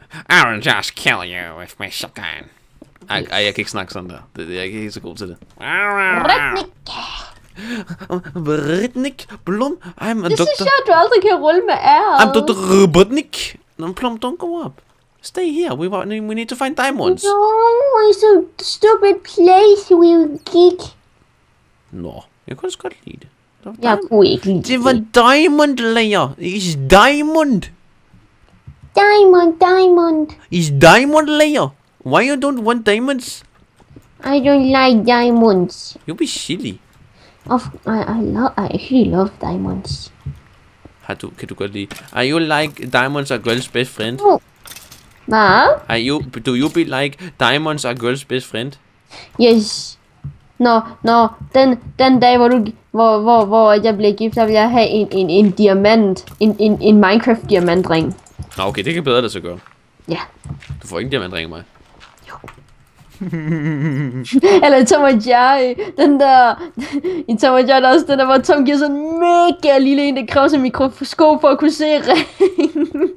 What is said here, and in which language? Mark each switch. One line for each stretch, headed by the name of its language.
English: I will just kill you with my shotgun.
Danish: Ej, jeg kan ikke snakke sådan der. Jeg er ikke helt så god til det.
English: Redneck. Redneck, Blom, I'm a doctor.
Danish: Det er så sjovt, du aldrig kan rulle med R.
English: I'm Dr. Robotnik. No, Blom, don't go up. Stay here, we need to find diamonds. No, it's a stupid place, we geek.
Danish: No, jeg kunne godt lide det. Jeg kunne ikke lide det. Det var
English: diamond layer. It's diamond. Diamond. It's diamond layer. Why you don't want diamonds? I don't like diamonds. You be silly. I actually love diamonds.
Danish: Kan du godt lide?
English: Are you like diamonds are girl's best friend? No.
Danish: Hvad?
English: Do you be like diamonds are girl's best friend? Yes.
Danish: No, den dag hvor jeg bliver gift, der vil jeg have en diamant, en Minecraft diamantring. Nå, okay, det kan bedre det så gøre. Ja. Du får ikke en diamantring af mig. Jo. Eller Tom og Jerry, den der, i Tom og Jerry, der er også den der, hvor Tom giver sådan en mega lille en, der kræver sig mikroskop for at kunne se ring.